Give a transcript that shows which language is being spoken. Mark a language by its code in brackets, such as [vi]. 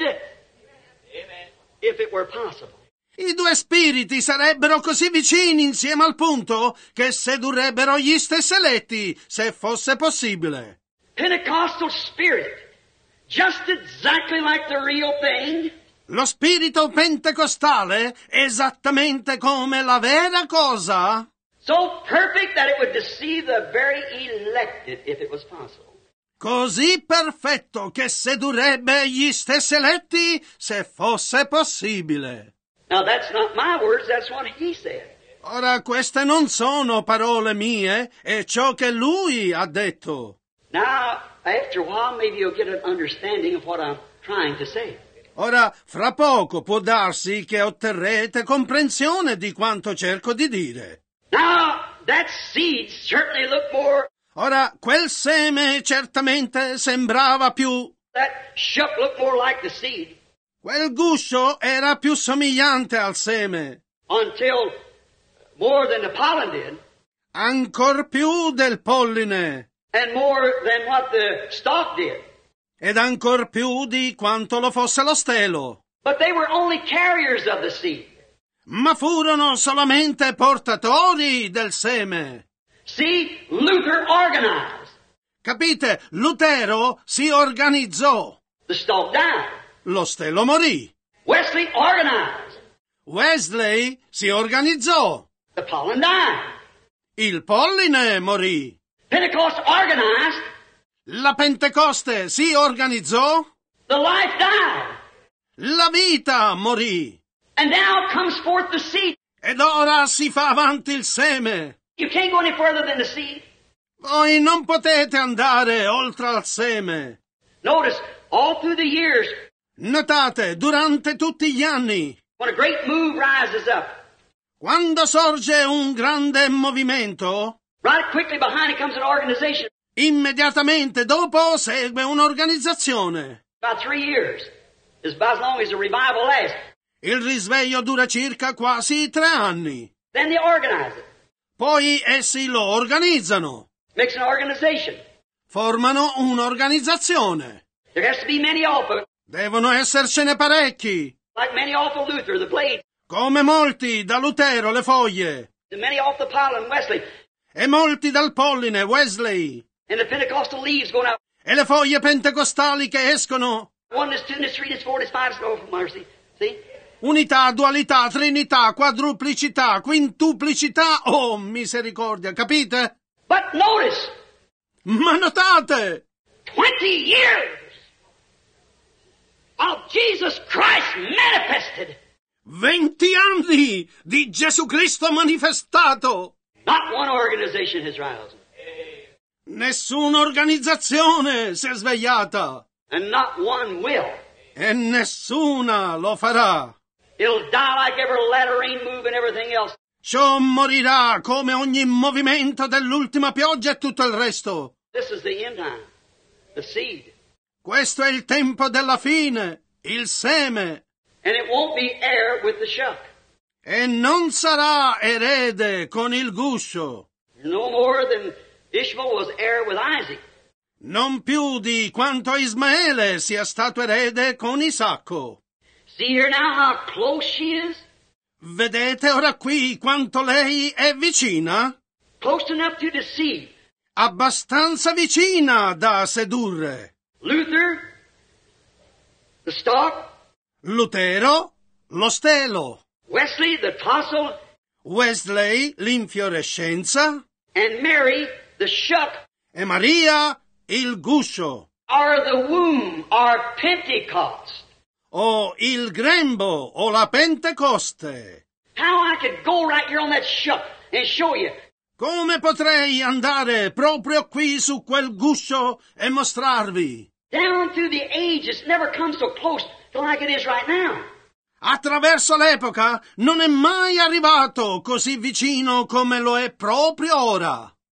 [en] Amen. If it were possible. [it] I due spiriti sarebbero così vicini insieme al punto che sedurrebbero gli stessi eletti, se fosse possibile. [en] Pentecostal spirit, just exactly like the real thing. [it] Lo spirito pentecostale, esattamente come la vera cosa. [en] So perfect that it would deceive the very elected if it was possible. [it] Così perfetto che sedurrebbe gli stessi eletti, se fosse possibile. [en] Now that's not my words, that's what he said. [it] Ora queste non sono parole mie, è ciò che lui ha detto. [en] Now, after a while, maybe you'll get an understanding of what I'm trying to say. [it] Ora, fra poco può darsi che otterrete comprensione di quanto cerco di dire. [en] Now, that seed certainly looked more. [it] Ora, quel seme certamente sembrava più. [en] That shuck looked more like the seed. [it] Quel guscio era più somigliante al seme. [en] Until more than the pollen did. [it] Ancor più del polline. [en] And more than what the stalk did. [it] Ed ancor più di quanto lo fosse lo stelo. [en] But they were only carriers of the seed. [it] Ma furono solamente portatori del seme. [en] See, Luther organized. [it] Capite, Lutero si organizzò. [en] The stalk died. [it] Lo stelo morì. [en] Wesley organized. [it] Wesley si organizzò. [en] The pollen died. [it] Il polline morì. [en] Pentecost organized. [it] La Pentecoste si organizzò. [en] The life died. [it] La vita morì. [en] And now comes forth the seed. [it] Ed ora si fa avanti il seme. [en] You can't go any further than the seed. [it] Voi non potete andare oltre al seme. [en] Notice, all through the years. [it] Notate, durante tutti gli anni. [en] When a great move rises up. [it] Quando sorge un grande movimento. [en] Right quickly behind it comes an organization. [it] Immediatamente dopo segue un'organizzazione. [en] About 3 years is about as long as a revival lasts. [it] Il risveglio dura circa quasi 3 anni. [en] Then they organize it. [it] Poi essi lo organizzano. [en] Makes an organization. [it] Formano un'organizzazione. [en] There has to be many often. [it] Devono essercene parecchi. [en] Like many off of Luther, the blade. [it] Come molti da Lutero, le foglie. [en] And many off the pollen, Wesley. [it] E molti dal polline, Wesley. [en] And the Pentecostal leaves going out. [it] E le foglie pentecostali che escono. [en] Oneness, twoness, threeness, fourness, fiveness, oh mercy. See? [it] Unità, dualità, trinità, quadruplicità, quintuplicità, oh misericordia, capite? [en] But notice. [it] Ma notate. [en] 20 years. Of Jesus Christ manifested. [it] 20 anni di Gesù Cristo manifestato. [en] Not one organization has risen. [it] Nessuna organizzazione si è svegliata. [en] And not one will. [it] E nessuna lo farà. [en] It'll die like every letter rain move and everything else. [it] Ciò morirà come ogni movimento dell'ultima pioggia e tutto il resto. [en] This is the end time. The seed. [it] Questo è il tempo della fine, il seme. [en] And it won't be heir with the shuck. [it] E non sarà erede con il guscio. [en] No more than Ishmael was heir with Isaac. [it] Non più di quanto Ismaele sia stato erede con Isacco. [en] See here now how close she is? [it] Vedete ora qui quanto lei è vicina? [en] Close enough to deceive. [it] Abbastanza vicina da sedurre. [en] Luther, the stalk. [it] Lutero, lo stelo. [en] Wesley, the tassel. [it] Wesley, l'infiorescenza. [en] And Mary, the shuck. [it] e Maria il guscio. [en] Or the womb, or Pentecost. [it] O il grembo, o la Pentecoste. [en] How I could go right here on that ship and show you. [it] Come potrei andare proprio qui su quel guscio e mostrarvi? [en] Down through the ages, never come so close to like it is right now. [it] Attraverso l'epoca non è mai arrivato così vicino come lo è proprio ora.